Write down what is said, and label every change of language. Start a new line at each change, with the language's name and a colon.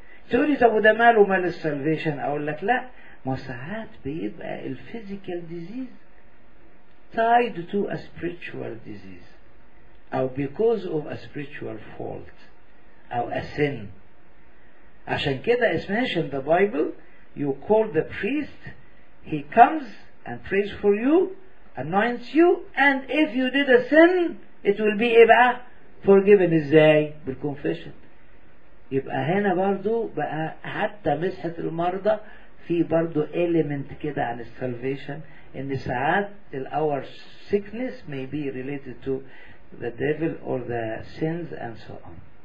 Arabic: تقولي طب وده ماله مال السالفيشن؟ اقول لك لا مساعات بيبقى
English: الفيزيكال disease tied to a spiritual disease
Arabic: أو
English: because of a spiritual fault
Arabic: أو
English: a sin.
Arabic: عشان كده
English: it's mentioned in the Bible you call the priest, he comes and prays for you, anoints you, and if you did a sin it will be
Arabic: إبقى
English: forgiven.
Arabic: إزاي؟ بالconfession. يبقى هنا برضو بقى حتى مسحة المرضى في برضو element كده عن salvation. إن ساعات
English: our sickness may be related to the devil or the sins and so on.